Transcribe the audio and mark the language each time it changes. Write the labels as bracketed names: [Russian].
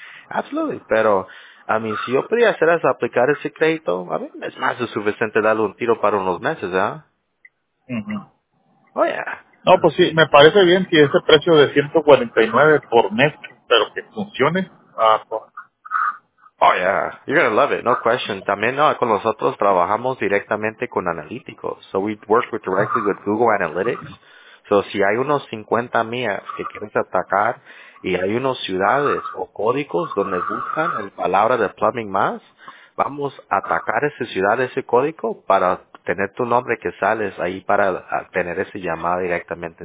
[Spanish] Absolutely, pero a mí, si yo podría hacer es aplicar ese crédito, a mí es más de suficiente darle un tiro para unos meses, ¿eh? Uh-huh. Oh, yeah. No, pues sí, me parece bien que ese precio de $149 por mes, pero que funcione. [English] Oh, yeah. You're going to love it. No question. [Spanish] También, no, con nosotros trabajamos directamente con analíticos. [English] So we work with directly with Google Analytics. [Spanish] So si hay unos 50 millas que quieres atacar, y hay unas ciudades o códigos donde buscan la palabra de plumbing más, vamos a atacar esa ciudad, ese código, para tener tu nombre que sales ahí para tener ese llamado directamente.